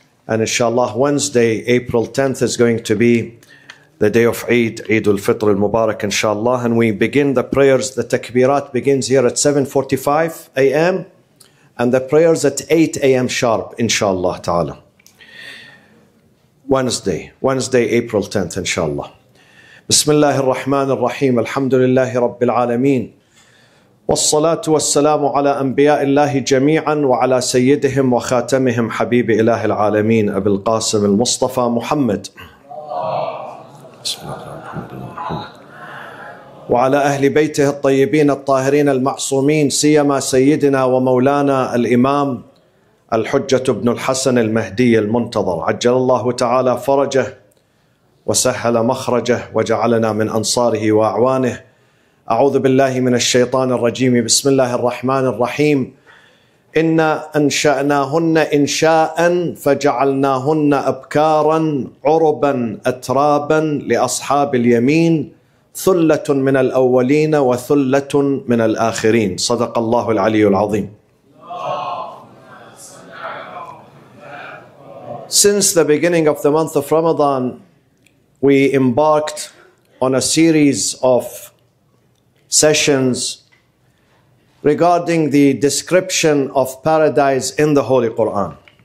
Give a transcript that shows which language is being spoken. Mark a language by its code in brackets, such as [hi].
[en] And inshallah, Wednesday, April 10th, is going to be the day of Eid, Eid al-Fitr al-Mubarak, inshallah. And we begin the prayers, the takbirat begins here at 7:45 a.m. and the prayers at 8 a.m. sharp, inshallah ta'ala. Wednesday, April 10th, inshallah. [ar] Bismillah ar-Rahman ar-Rahim, alhamdulillahi rabbil alameen. والصلاة والسلام على أنبياء الله جميعا وعلى سيدهم وخاتمهم حبيب إله العالمين أبي القاسم المصطفى محمد وعلى أهل بيته الطيبين الطاهرين المعصومين سيما سيدنا ومولانا الإمام الحجة ابن الحسن المهدي المنتظر عجل الله تعالى فرجه وسهل مخرجه وجعلنا من أنصاره وأعوانه أعوذ بالله من الشيطان الرجيم بسم الله الرحمن الرحيم إنا أنشأناهن إنشاء فجعلناهن أبكارا عربا أترابا لأصحاب اليمين ثلة من الأولين وثلة من الآخرين صدق الله العلي العظيم. [en] Since the beginning of the month of Ramadan, we embarked on a series of sessions regarding the description of paradise in the Holy Quran.